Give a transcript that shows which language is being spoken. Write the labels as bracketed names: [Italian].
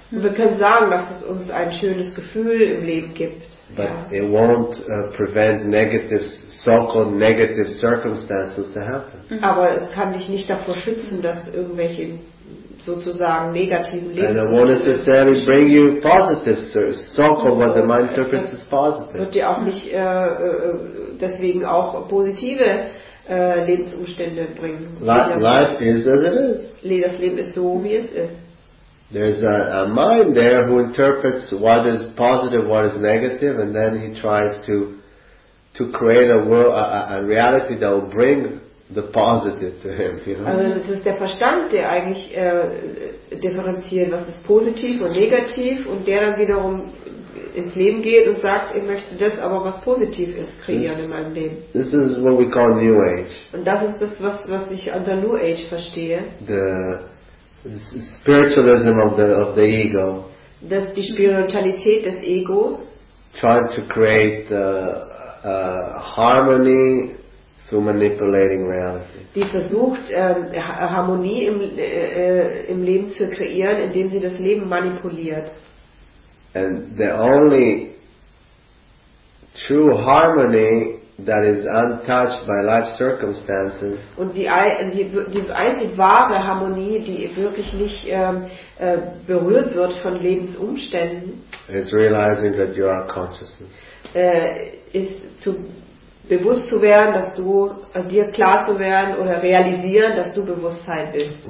[German] Wir können sagen, dass es uns ein schönes Gefühl im Leben gibt. [English] But it won't prevent negative, so-called negative circumstances to happen. [German] Aber es kann dich nicht davor schützen, dass irgendwelche sozusagen negativen Lebensumstände. [English] And it won't necessarily bring you positive, so-called what the mind interprets as positive. [German] Wird dir auch nicht deswegen auch positive Lebensumstände bringen. [English] Life is as it is. [German] Das Leben ist so, wie es ist. [English] There's a mind there who interprets what is positive, what is negative, and then he tries to create a world, a reality that will bring the positive to him. You know? [German] Also das ist der Verstand, der eigentlich differenziert, was ist positiv und negativ, und der dann wiederum ins Leben geht und sagt, ich möchte das, aber was positiv ist, kreieren in meinem Leben. [English] This is what we call New Age. [German] Und das ist das, was ich unter New Age verstehe. [English] The spiritualism of the ego. [German] Das die Spiritualität des Egos. [English] Trying to create harmony through manipulating reality. [German] Die versucht Harmonie im Leben zu kreieren, indem sie das Leben manipuliert. [English] And the only true harmony that is untouched by life circumstances. [German] Und die einzige wahre Harmonie, die wirklich nicht berührt wird von Lebensumständen, [English] is realizing that you are consciousness. [German] Ist zu bewusst zu werden, dass du dir klar zu werden oder realisieren, dass du Bewusstsein bist.